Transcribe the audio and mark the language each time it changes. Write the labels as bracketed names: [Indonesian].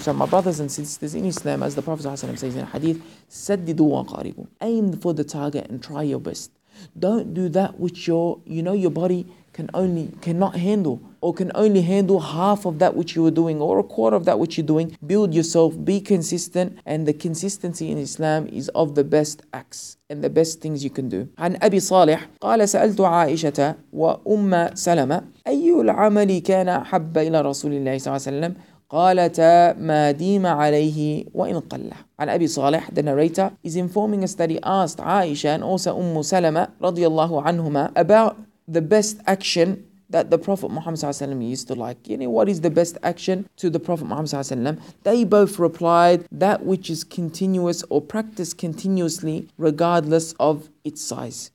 [English] So my brothers and sisters in Islam, as the Prophet ﷺ says in a hadith, [Arabic] saddidu wa qaribu, [English] aim for the target and try your best. Don't do that which your body cannot handle, or can only handle half of that which you are doing, or a quarter of that which you're doing. Build yourself, be consistent, and the consistency in Islam is of the best acts and the best things you can do. [Arabic] عن أبي صالح قال سألت عائشة وأم سلمة أي العمل كان أحب إلى رسول الله صلى الله عليه وسلم قالتا ما ديم عليه وإن قلّه. [English] And Abi Salih, the narrator, is informing us that he asked Aisha and also Ummu Salama radiallahu anhuma about the best action that the Prophet Muhammad sallallahu alaihi wasallam used to like. You know, what is the best action to the Prophet Muhammad sallallahu alaihi wasallam? They both replied, that which is continuous or practiced continuously regardless of its size.